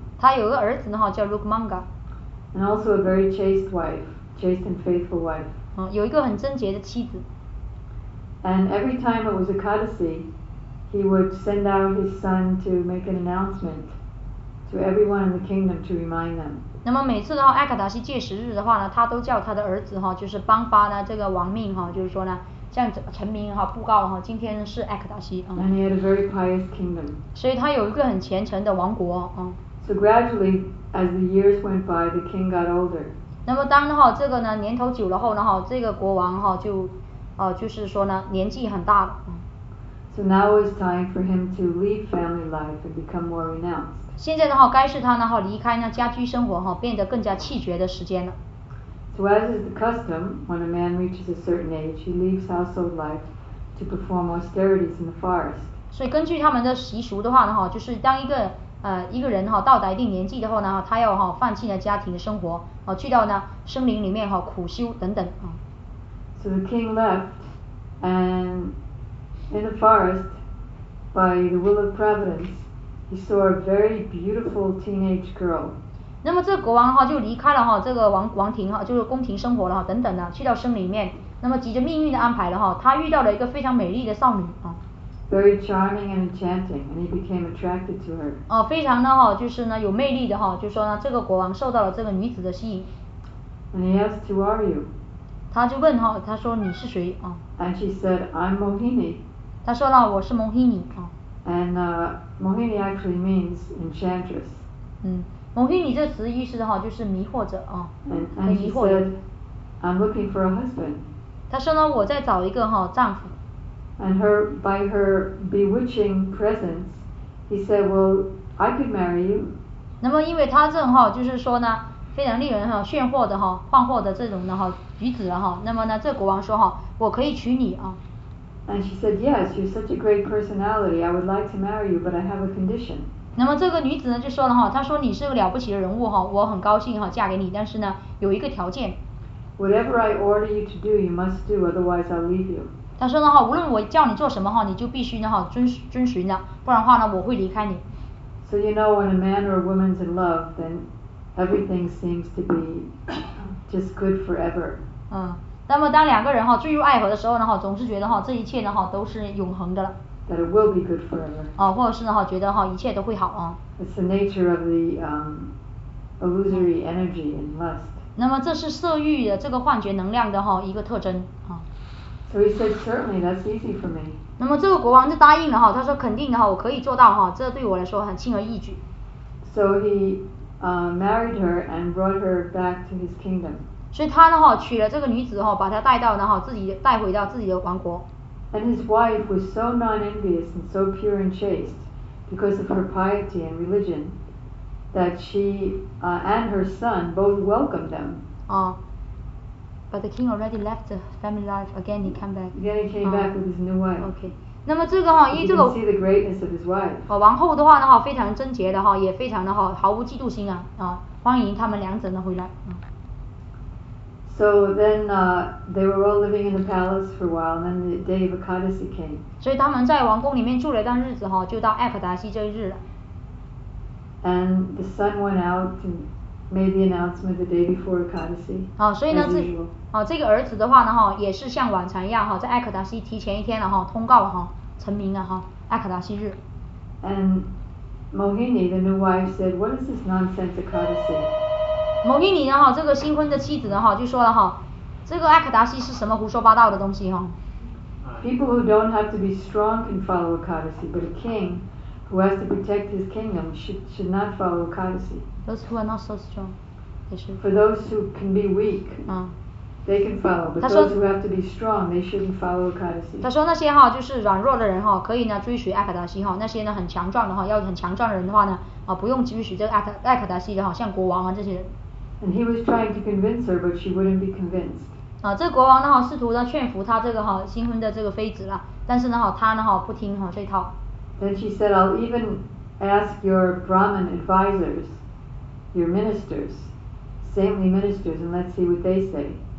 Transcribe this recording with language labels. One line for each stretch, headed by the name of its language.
Chinese: 他有个儿子呢，叫 Rukmanga.
English: And also a very chaste wife, chaste and faithful wife.
Chinese: 有一个很贞洁的妻子。
English: And every time it was Ekadasi, he would send out his son to make an announcement to everyone in the kingdom to remind them.
Chinese: 那么每次的话，艾卡达西戒食日的话呢，他都叫他的儿子哈，就是颁发呢这个王命哈，就是说呢。向臣民哈布告哈，今天是艾克达西。
English: And he had a very pious kingdom.
Chinese: 所以他有一个很虔诚的王国。
English: So gradually, as the years went by, the king got older.
Chinese: 那么当哈这个呢年头久了后呢哈，这个国王哈就，就是说呢年纪很大了。
English: So now it's time for him to leave family life and become more renounced.
Chinese: 现在的话，该是他呢哈离开呢家居生活哈，变得更加气绝的时间了。
English: So as is the custom, when a man reaches a certain age, he leaves household life to perform austerities in the forest.
Chinese: 所以根据他们的习俗的话呢，就是当一个人到达一定年纪的话呢，他要放弃了家庭的生活，去到呢森林里面苦修等等。
English: So the king left, and in the forest, by the will of providence, he saw a very beautiful teenage girl.
Chinese: 那么这个国王哈就离开了哈这个王庭哈就是宫廷生活了哈等等呢，去到森林里面。那么急着命运的安排了哈，他遇到了一个非常美丽的少女啊。
English: Very charming and enchanting, and he became attracted to her.
Chinese: 非常的哈，就是呢有魅力的哈，就是说呢这个国王受到了这个女子的吸引。
English: And he asked, "Who are you?"
Chinese: 他就问哈，他说你是谁啊
English: ？And she said, "I'm Mohini."
Chinese: 他说了我是 Mohini 啊。
English: And Mohini actually means enchantress.
Chinese: Mohini, 这词意思就是迷惑者,
English: and he said, I'm looking for a husband.
Chinese: 她说呢, 我在找一个, 哦,
English: and her, by her bewitching presence, he said, well, I could marry you.
Chinese: 那么因为她这种, 就是说呢, 非常令人, 炫惑的, 晃惑的这种的, 举止的, 那么呢, 这国王说, 我可以娶你,
English: and she said, yes, you're such a great personality. I would like to marry you, but I have a condition.
Chinese: 那么这个女子呢, 就说了, 她说你是个了不起的人物, 我很高兴, 嫁给你, 但是呢, 有一个条件,
English: whatever I order you to do, you must do, otherwise I'll leave you.
Chinese: 她说呢, 无论我叫你做什么, 你就必须呢, 遵循的, 不然的话呢, 我会离开你。
English: So you know, when a man or a woman's in love, then everything seems to be just good forever.
Chinese: 那么当两个人, 坠入爱河的时候, 总是觉得, 这一切呢, 都是永恒的。
English: That it will be good forever.
Chinese: 或者是呢, 觉得, 一切都会好,
English: It's the nature of the illusory energy and lust.
Chinese: 那么这是色欲的, 这个幻觉能量的, 一个特征,
English: So he said, certainly, that's easy for me.
Chinese: 那么这个国王就答应了, 他说, 肯定的, 我可以做到, 这对我来说, 轻而易举。
English: So he married her and brought her back to his kingdom.
Chinese: 所以他呢, 娶了这个女子, 把她带到呢, 自己, 带回到自己的王国。
English: And his wife was so non-envious and so pure and chaste because of her piety and religion that she and her son both welcomed them. But the king already left the family life. Again, he came back. Again, he came back with his new wife.
Chinese: Okay. 那么这个,
English: you can see the greatness of his wife.
Chinese: 王后的话呢, 非常贞洁的, 也非常的, 毫无嫉妒心, 欢迎他们两者呢, 回来。
English: So then they were all living in the palace for a while, and then the day of Ekadasi came.
Chinese: 所以他们在王宫里面住了一段日子, 就到艾克达西这一日了。And
English: the sun went out and made the announcement the day before Ekadasi.
Chinese: 所以呢，这个儿子的话呢, 也是像往常一样, 在艾克达西提前一天了, 通告了, 成名了, 艾克达西日。
English: And Mohini, the new wife, said, What is this nonsense, Ekadasi?
Chinese: 蒙尼尼呢, 这个新婚的妻子呢, 就说了, 这个艾克达西是什么胡说八道的东西,
English: People who don't have to be strong can follow Ekadasi, but a king who has to protect his kingdom should not follow Ekadasi. Those who are not so strong, they should. For those who can be weak, they can follow, but
Chinese: 他说,
English: those who have to be strong, they shouldn't follow Ekadasi.
Chinese: 他说那些, 就是软弱的人, 可以呢, 追随艾克达西, 那些呢, 很强壮的, 要很强壮的人的话呢, 不用允许这个艾克达西的, 像国王啊, 这些人。
English: And he was trying to convince her, but she wouldn't be convinced.
Chinese: 这国王呢, 试图呢, 劝服他这个, 新婚的这个妃子啦, 但是呢, 他呢, 不听, 这套。
English: Then she said, I'll even ask your Brahmin advisors, your ministers, saintly ministers, and let's see what they say.